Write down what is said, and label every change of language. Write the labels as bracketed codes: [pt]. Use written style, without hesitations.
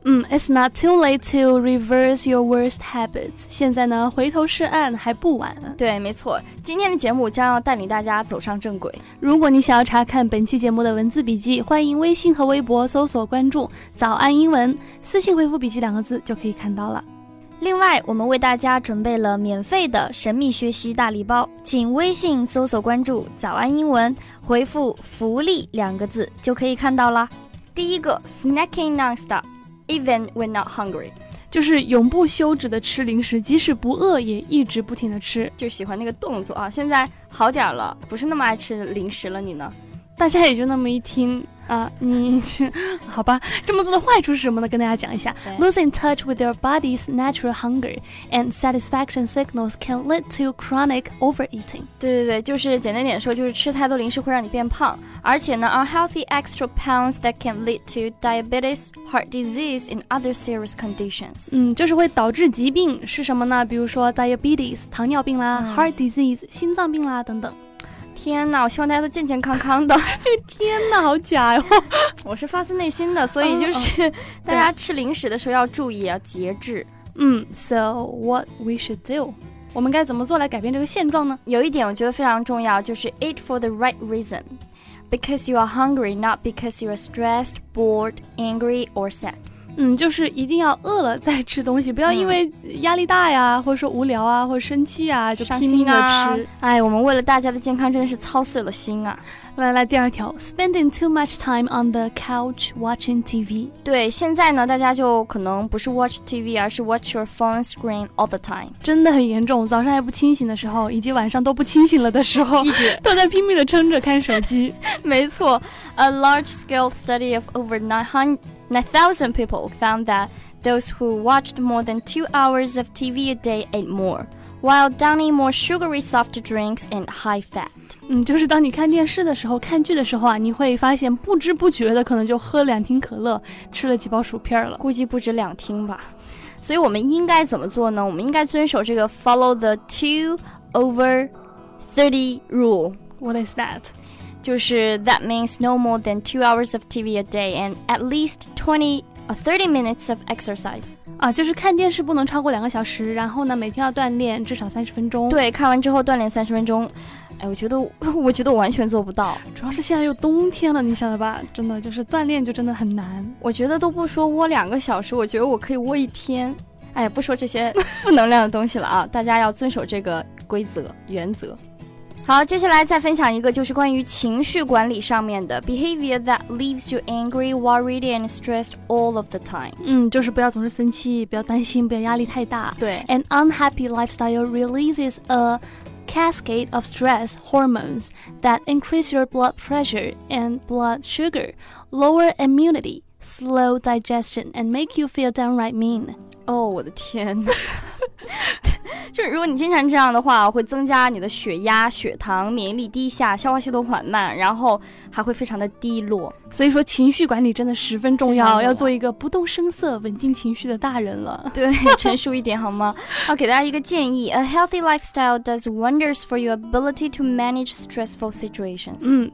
[en] It's not too late to reverse your worst habits. [zh] 现在呢，回头是岸还不晚。对，没错，今天的节目将要带领大家走上正轨。如果你想要查看本期节目的文字笔记，欢迎微信和微博搜索关注早安英文，私信回复笔记两个字就可以看到了。另外，我们为大家准备了免费的神秘学习大礼包，请微信搜索关注早安英文，回复福利两个字就可以看到了。第一个 [en] snacking nonstop even when not hungry， [zh] 就是永不休止的吃零食，即使不饿也一直不停的吃，就喜欢那个动作啊。现在好点了，不是那么爱吃零食了。你呢？大家也就那么一听啊，你好吧，这么做的坏处是什么呢？跟大家讲一下 [en] ，losing touch with your body's natural hunger and satisfaction signals can lead to chronic overeating。 [zh] 对对对，就是简单点说，就是吃太多零食会让你变胖，而且呢 [en] ，unhealthy extra pounds that can lead to diabetes, heart disease, and other serious conditions。 [zh] 就是会导致疾病是什么呢？比如说 diabetes 糖尿病啦、heart disease 心脏病啦等等。天哪，我希望大家都健健康康的。天哪，好假哟、我是发自内心的，所以就是大家吃零食的时候要注意，要节制。 [en] So what we should do? [zh] 我们该怎么做来改变这个现状呢？有一点我觉得非常重要，就是 [en] eat for the right reason. Because you are hungry, not because you are stressed, bored, angry, or sad. [zh] 就是一定要饿了再吃东西，不要因为压力大呀、或者说无聊啊，或者生气啊，就拼命的吃。哎，我们为了大家的健康真的是操碎了心啊。来来，第二条 [en] ,spending too much time on the couch watching TV。 [zh] 对，现在呢大家就可能不是 [en] watch TV, [zh] 而是 [en] watch your phone screen all the time。 [zh] 真的很严重，早上还不清醒的时候，以及晚上都不清醒了的时候，都在拼命的撑着看手机。 [en] 没错 ,a large scale study of over 9,000 people found that those who watched more than 2 hours of TV a day ate more, while downing more sugary soft drinks and high fat. [zh] 就是当你看电视的时候，看剧的时候啊，你会发现不知不觉的可能就喝两听可乐，吃了几包薯片了。估计不止两听吧。所以我们应该怎么做呢？我们应该遵守这个 [en] follow the 2 over 30 rule. What is that? [zh] 就是 [en] that means no more than 2 hours of TV a day and at least 30 minutes of exercise. [zh] 就是看电视不能超过两个小时，然后呢，每天要锻炼至少30分钟。对，看完之后锻炼30分钟。哎，我觉得我完全做不到。主要是现在又冬天了，你晓得吧？真的就是锻炼就真的很难。我觉得都不说窝两个小时，我觉得我可以窝一天。哎，不说这些负能量的东西了啊，大家要遵守这个规则原则。好，接下来再分享一个，就是关于情绪管理上面的 [en] behavior that leaves you angry, worried, and stressed all of the time. [zh] 就是不要总是生气，不要担心，不要压力太大。对 [en] ，an unhappy lifestyle releases a cascade of stress hormones that increase your blood pressure and blood sugar, lower immunity, slow digestion, and make you feel downright mean. [zh] 我的天！就如果你经常这样的话，会增加你的血压、血糖、免疫力低下、消化系统缓慢，然后还会非常的低落。所以说情绪管理真的十分重要，要做一个不动声色稳定情绪的大人了。对，成熟一点好吗？要给大家一个建议， [en] A healthy lifestyle does wonders for your ability to manage stressful situations.